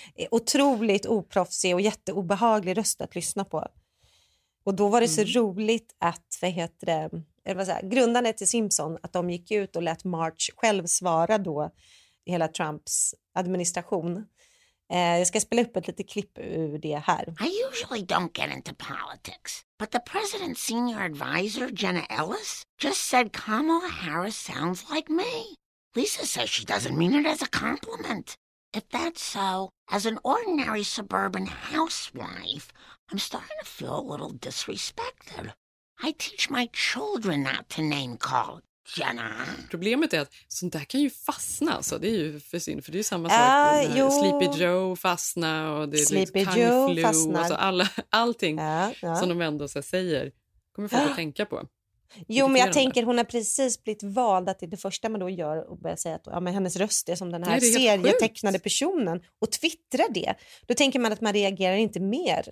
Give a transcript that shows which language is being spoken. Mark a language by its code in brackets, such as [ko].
[sv] Otroligt oproffsig och jätteobehaglig röst att lyssna på. Och då var det så roligt att, vad heter det, eller vad säger, grundandet till Simpson, att de gick ut och lät Marge själv svara då hela Trumps administration. Jag ska spela upp ett litet klipp ur det här. [en] I usually don't get into politics, but the president's senior advisor, Jenna Ellis, just said Kamala Harris sounds like me. Lisa says she doesn't mean it as a compliment. If that's so, as an ordinary suburban housewife, I'm starting to feel a little disrespected. I teach my children not to name call. Jenna. [sv] Problemet är att sånt där kan ju fastna, så det är ju för synd, för det är ju samma sak med Sleepy Joe fastna och det är Sleepy liksom Joe fastnar. Och så allting som de ändå så säger kommer folk att tänka på. Jo, men jag tänker hon har precis blivit vald, att det första man då gör och börjar säga att men hennes röst är som den här serietecknade personen och twittrar det, då tänker man att man reagerar inte mer.